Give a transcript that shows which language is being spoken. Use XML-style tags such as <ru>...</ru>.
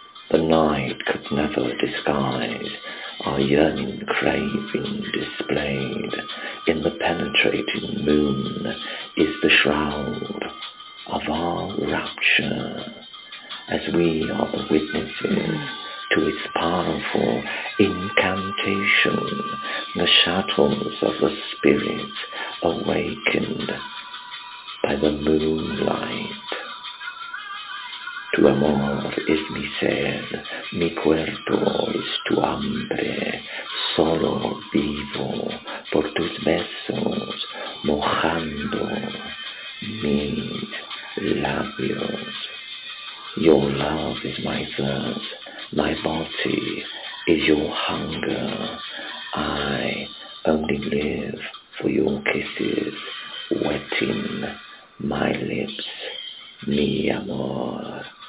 <en>The night could never disguise our yearning craving displayed in the penetrating moon is the shroud of our rapture, as we are the witnesses to its powerful incantation, the shadows of the spirit awakened by the moonlight.</en> <es>Tu amor es mi ser, mi cuerpo es tu hambre, solo vivo por tus besos, mojando mis labios.</es> <en>Your love is my thirst, my body is your hunger. I only live for your kisses, wetting my lips,</en> <es>mi amor.</es>